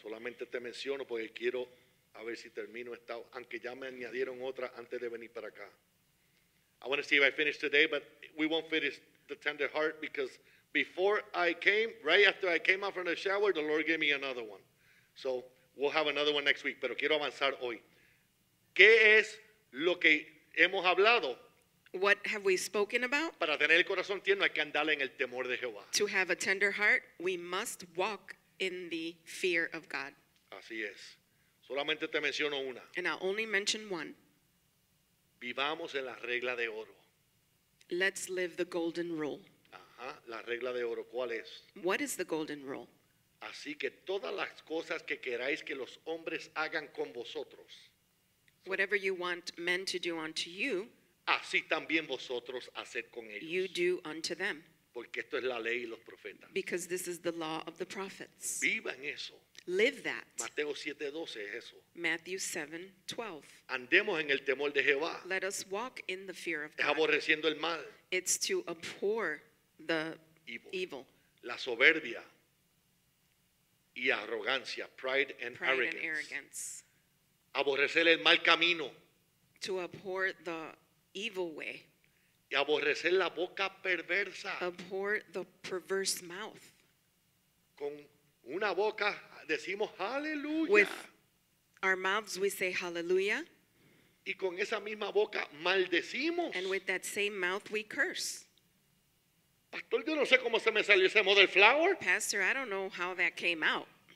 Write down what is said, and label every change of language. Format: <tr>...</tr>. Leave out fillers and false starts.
<es>Solamente te menciono porque quiero a ver si termino esta, aunque ya me añadieron otra antes de venir para acá.</es> <en>I want to see if I finish today, but we won't finish the tender heart because before I came, right after I came out from the shower, the Lord gave me another one. So we'll have another one next week,</en> <es>pero quiero avanzar hoy. ¿Qué es lo que hemos hablado?</es> <en>What have we spoken about?</en> <es>Para tener el corazón tierno hay que andar en el temor de Jehová.</es> <en>To have a tender heart, we must walk in the fear of God.</en> <es>Así es. Solamente te menciono una.</es> <en>And I'll only mention one.</en> <es>Vivamos en la regla de oro.</es> <en>Let's live the golden rule.</en> <es>Ajá, la regla de oro, ¿cuál es?</es> <en>What is the golden rule?</en> <es>Así que todas las cosas que queráis que los hombres hagan con vosotros.</es> <en>Whatever you want men to do unto you,</en> <es>así también vosotros haced con ellos.</es> <en>You do unto them.</en> <es>Porque esto es la ley y los profetas.</es> <en>Because this is the law of the prophets.</en> <es>Viva en eso.</es> <en>Live that.</en> <es>Mateo 7:12 es eso.</es> <en>Matthew 7:12.</en> <es>Andemos en el temor de Jehová.</es> <en>Let us walk in the fear of God.</en> <es>Es aborreciendo el mal.</es> <en>It's to abhor the evil.</en> <es>La soberbia y arrogancia.</es> <en>Pride and pride arrogance. And arrogance.</en> <es>Aborrecer el mal camino.</es> <en>To abhor the evil way.</en> <es>Y aborrecer la boca perversa.</es> <en>Abhor the perverse mouth.</en> <es>Con una boca decimos aleluya.</es> <en>With our mouths we say hallelujah.</en> <es>Y con esa misma boca maldecimos.</es> <en>And with that same mouth we curse.</en> <es>Pastor, yo no sé cómo se me salió ese model flower.</es> <en>Pastor, I don't know how that came out.</en>